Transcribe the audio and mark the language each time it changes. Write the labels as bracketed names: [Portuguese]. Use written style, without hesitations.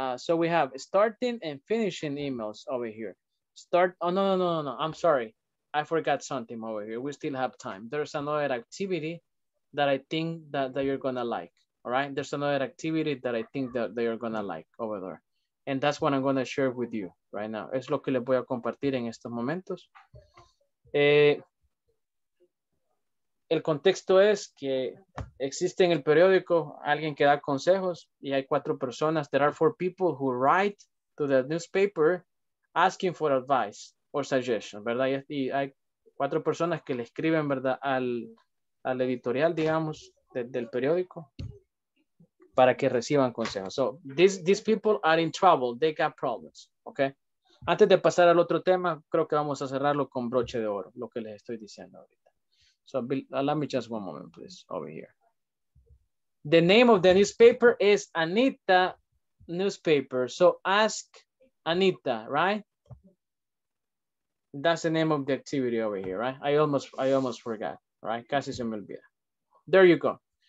[English] So we have starting and finishing emails over here. Oh, no. I'm sorry. I forgot something over here. We still have time. There's another activity that I think that you're going to like, all right? There's another activity that I think that you're going to like over there. And that's what I'm going to share with you right now. [Spanish] Es lo que les voy a compartir en estos momentos. El contexto es que existe en el periódico alguien que da consejos y hay cuatro personas. [English] There are four people who write to the newspaper asking for advice or suggestion, ¿verdad? [Spanish] Y hay cuatro personas que le escriben, ¿verdad? Al editorial, digamos, del periódico. [English] para que reciban consejos. So these people are in trouble. They got problems. Okay. [Spanish] Antes de pasar al otro tema, creo que vamos a cerrarlo con broche de oro, lo que les estoy diciendo ahorita. [English] So let me just one moment, please, over here. The name of the newspaper is Anita Newspaper. So ask Anita, right? That's the name of the activity over here, right? I almost forgot, right? [Spanish] Casi se me olvida. [English] There you go.